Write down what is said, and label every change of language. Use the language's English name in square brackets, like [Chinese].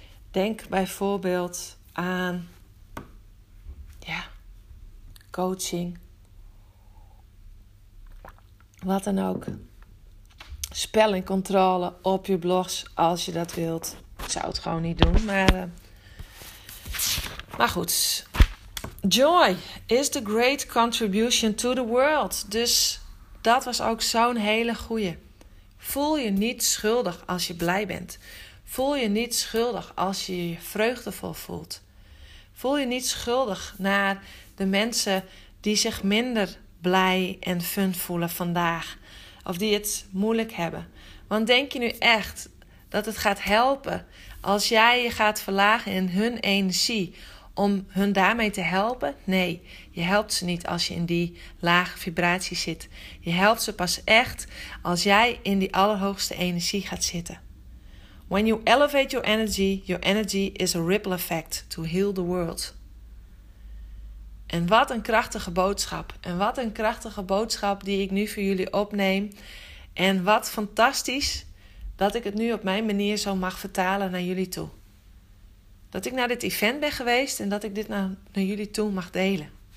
[Dutch] Denk bijvoorbeeld aan, ja, coaching. Wat dan ook. Spellingcontrole op je blogs als je dat wilt. Ik zou het gewoon niet doen, maar goed. [English] Joy is the great contribution to the world. [Dutch] Dus dat was ook zo'n hele goeie. Voel je niet schuldig als je blij bent. Voel je niet schuldig als je je vreugdevol voelt. Voel je niet schuldig naar de mensen die zich minder blij en fun voelen vandaag. Of die het moeilijk hebben. Want denk je nu echt dat het gaat helpen als jij je gaat verlagen in hun energie om hun daarmee te helpen? Nee, je helpt ze niet als je in die lage vibratie zit. Je helpt ze pas echt als jij in die allerhoogste energie gaat zitten. [English] When you elevate your energy is a ripple effect to heal the world. [Dutch] En wat een krachtige boodschap. En wat een krachtige boodschap die ik nu voor jullie opneem. En wat fantastisch dat ik het nu op mijn manier zo mag vertalen naar jullie toe. Dat ik naar dit event ben geweest en dat ik dit naar jullie toe mag delen.